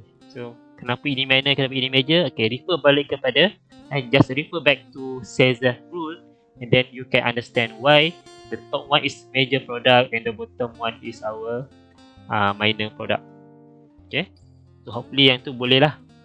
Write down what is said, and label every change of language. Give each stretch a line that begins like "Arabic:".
Malay: So kenapa ini minor, kenapa ini major?
English: Okay, refer
Malay: balik kepada,
English: and just refer back to Caesar rule, and then you can understand why the top one is major product and the bottom one is our minor product. Okay, so hopefully
Malay: yang tu boleh lah.